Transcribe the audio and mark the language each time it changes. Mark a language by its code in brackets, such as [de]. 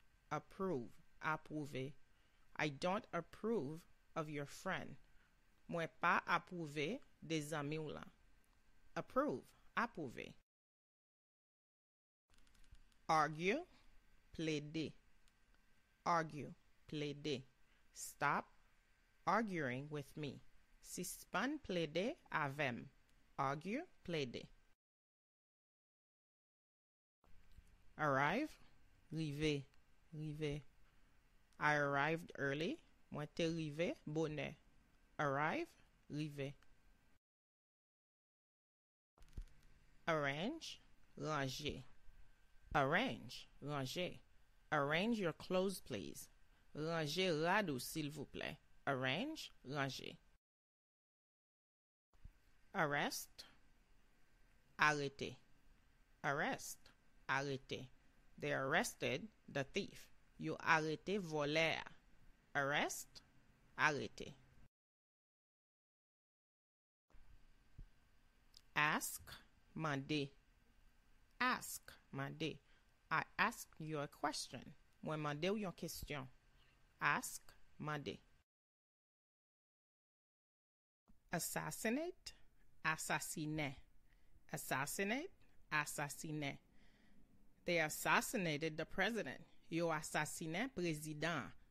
[en] Approve, approuver. I don't approve of your friend. [ht] Mwen pa apouve de zami ou la. [en] Approve, apouve. Argue, plede. Argue, plede. Stop arguing with me. [ht] Sispan plede avem. [en] Argue, plede. Arrive, rive, rive. I arrived early. [ht] Mwen te rive bonè. Arrive, rive. [en] Arrange, range. Arrange, range. Arrange your clothes, please. [ht] Range radou, s'il vous plaît. [en] Arrange, range. Arrest, arrêté. Arrest, arrêté. They arrested the thief. [ht] Yo arrêté voleur. Arrest, arrêté. [en] Ask, mandé. Ask, mandé. I ask you a question. [ht] Mwen mande ou yon question. [en] Ask, mandé. Assassinate, assassiné. Assassinate, assassiné. They assassinated the president. [ht] Yo assassiné président.